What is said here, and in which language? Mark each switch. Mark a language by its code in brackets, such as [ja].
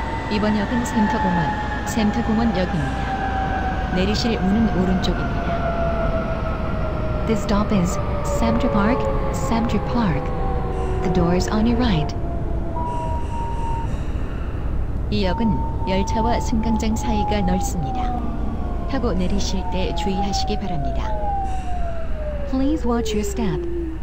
[ko] 이번 역은 센터공원, 센터공원역입니다. 내리실 문은 오른쪽입니다. [en] This stop is Center Park, Center Park. The doors on your right. [ko] 이 역은 열차와 승강장 사이가 넓습니다. 타고 내리실 때 주의하시기 바랍니다. [en] Please watch your step.